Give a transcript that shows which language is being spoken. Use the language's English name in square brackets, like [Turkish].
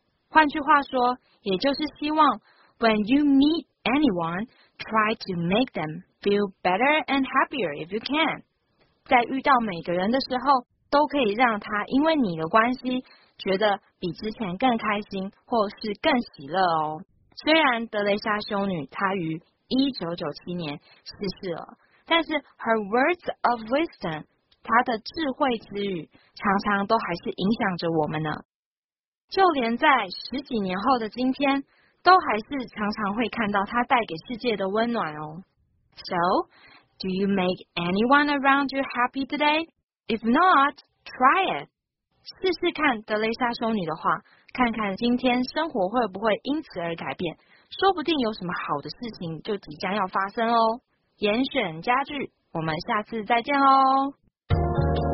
[English] 换句话说，也就是希望 When you meet anyone, try to make them feel better and happier if you can。 [Chinese] 在遇到每个人的时候，都可以让他因为你的关系觉得比之前更开心或是更喜乐哦。虽然德雷莎修女她于1997年逝世了，但是 her words of wisdom，她的智慧之语常常都还是影响着我们呢。就连在十几年后的今天，都还是常常会看到她带给世界的温暖哦。 [English] So, do you make anyone around you happy today? If not, try it. [Chinese] 试试看德雷莎修女的话，看看今天生活会不会因此而改变，说不定有什么好的事情就即将要发生哦。严选家具，我们下次再见哦。